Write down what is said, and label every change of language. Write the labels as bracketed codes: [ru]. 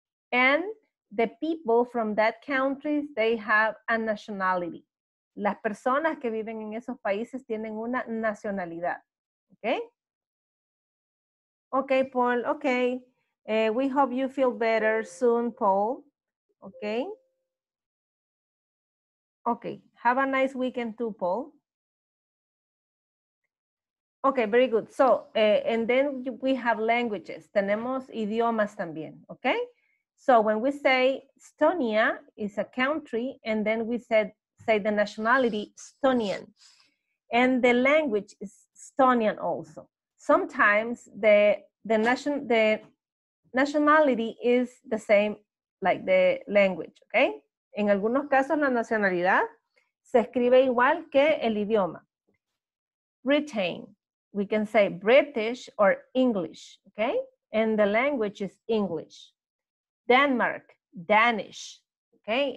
[en] And the people from that country, they have a nationality. [es] Las personas que viven en esos países tienen una nacionalidad. [en] Okay? Okay, Paul. Okay. We hope you feel better soon, Paul. Okay? Okay. Have a nice weekend too, Paul. Okay, very good. So, and then we have languages. [es] Tenemos idiomas también, [en] okay? So, when we say Estonia is a country, and then we said say the nationality, Estonian. And the language is Estonian also. Sometimes the nationality is the same like the language, okay? [es] En algunos casos la nacionalidad se escribe igual que el idioma. [en] Britain, we can say British or English, okay? And the language is English. Denmark, Danish, okay?